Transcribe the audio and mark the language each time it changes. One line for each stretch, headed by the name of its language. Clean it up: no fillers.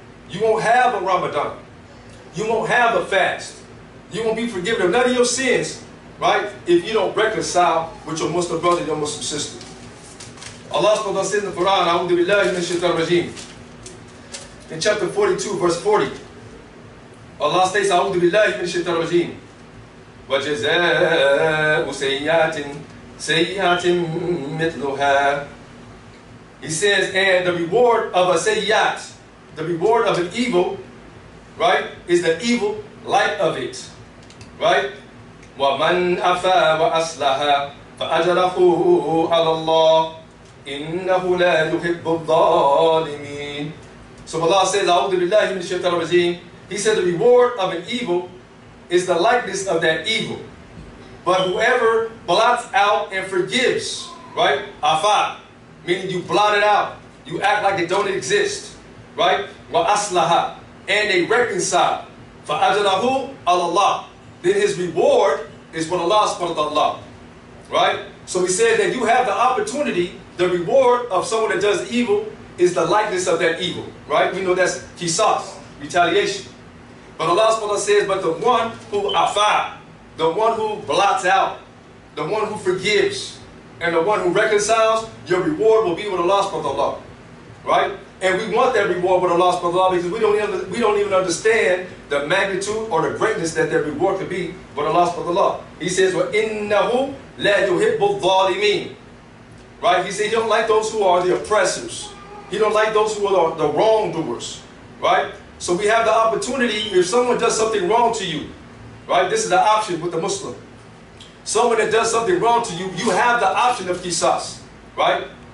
English: You won't have a Ramadan. You won't have a fast. You won't be forgiven of none of your sins, right? If you don't reconcile with your Muslim brother, your Muslim sister. Allah said in the Quran,
Arabic: أعوذ بالله من الشيطان الرجيم.
English: In chapter 42, verse 40, Allah states,
Arabic: أعوذ بالله من الشيطان الرجيم. وجزاء سيئات سيئات مثلها.
English: He says, and the reward of a sayyat, the reward of an evil, right, is the evil light of it, right?
Arabic: وَمَنْ أَفَى وَأَصْلَحَ فَأَجْرَهُ عَلَى اللَّهِ إِنَّهُ لَا يُحِبُّ الظَّالِمِينَ.
English: So Allah says,
Arabic: أَعُوذُ بِاللَّهِ مِنَ الشَّيْطَانِ الرَّجِيمِ.
English: He said the reward of an evil is the likeness of that evil. But whoever blots out and forgives, right, afa, meaning you blot it out, you act like it don't exist, right? وَأَصْلَحَ, and they reconcile.
Arabic: فَأَجْرَهُ عَلَى اللَّهِ,
English: then his reward is what Allah subhanahu wa ta'ala, right? So he said that you have the opportunity, the reward of someone that does evil is the likeness of that evil, right? We know that's kisas, retaliation. But Allah subhanahu wa ta'ala says, but the one who afa, the one who blots out, the one who forgives, and the one who reconciles, your reward will be with Allah subhanahu wa ta'ala, right? And we want that reward with Allah subhanahu wa ta'ala because we don't even understand the magnitude or the greatness that their reward could be with Allah subhanahu wa ta'ala. He says,
Arabic: وَإِنَّهُ لَا يُحِبُّ الظَّالِمِينَ.
English: Right? He said, he don't like those who are the oppressors. He don't like those who are the wrongdoers. Right? So we have the opportunity, if someone does something wrong to you, right? This is the option with the Muslim. Someone that does something wrong to you, you have the option of qisas. Right?